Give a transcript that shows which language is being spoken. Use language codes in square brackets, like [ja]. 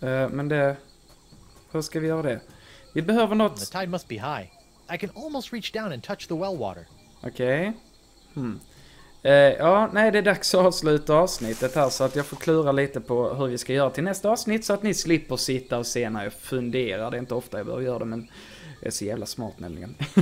[sv] Men det, hur ska vi göra det? Vi behöver något. [en] The tide must be high. I can almost reach down and touch the well water. [sv] Okej. Okay. Hmm. Ja, nej, det är dags att avsluta avsnittet här, så att jag får klura lite på hur vi ska göra till nästa avsnitt, så att ni slipper sitta och se när jag funderar. Det är inte ofta jag behöver göra det, men jag är så jävla smart nämligen.